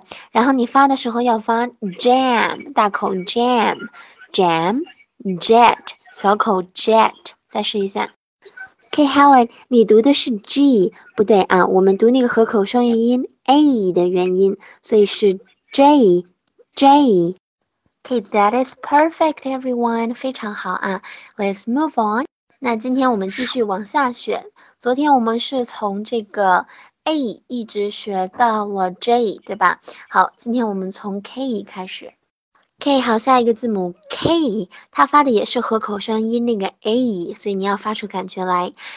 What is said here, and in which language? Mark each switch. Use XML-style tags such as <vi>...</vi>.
<zh>然后你发的时候要发 jam 大口 jam jam jet 小口 jet 再试一下。 OK Helen，你读的是 G，不对啊，我们读那个合口双元音 A 的元音，所以是 J J。</zh> <en>OK that is perfect everyone，</en> <zh>非常好啊。</zh> <en>Let's move on。</en> <zh>那今天我们继续往下学，昨天我们是从这个。 A 一直学到了 J，对吧？好，今天我们从 K 开始。 K 好，下一个字母 K，它发的也是合口声音那个 A，所以你要发出感觉来。</zh>